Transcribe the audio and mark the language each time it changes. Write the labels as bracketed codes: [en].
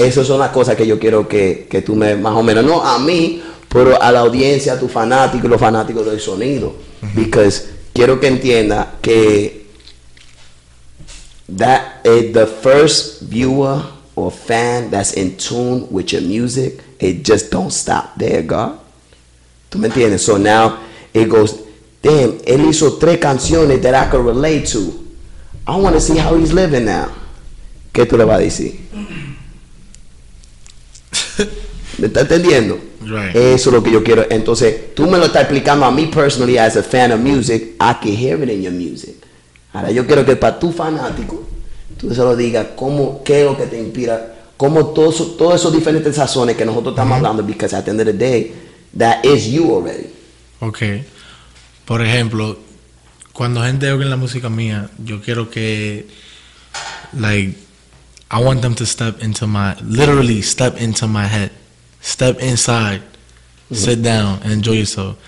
[es] Esas son las cosas que yo quiero que tú me, más o menos, no a mí, pero a la audiencia, a tus fanáticos, los fanáticos del sonido. Mm-hmm. [en] Because [es] quiero que entienda que [en] that is the first viewer or fan that's in tune with your music, it just don't stop there, God. [es] ¿Tú me entiendes? [en] So now it goes, damn, [es] él hizo tres canciones [en] that I could relate to. I want to see how he's living now. [es] ¿Qué tú le vas a decir? ¿Me está entendiendo? [en] Right. [es] Eso es lo que yo quiero. Entonces, tú me lo estás explicando a mí [en] personally as a fan of music. I can hear it in your music. [es] Ahora, yo quiero que para tu fanático, tú se lo digas, cómo, ¿qué es lo que te inspira? ¿Cómo todos todo esos diferentes sazones que nosotros estamos mm-hmm. hablando? [en] Because at the end of the day, that is you already. [es] Okay. Por ejemplo, cuando gente oye la música mía, yo quiero que, [en] like, I want them to step into my, literally step into my head. Step inside, mm-hmm. sit down, and enjoy yourself.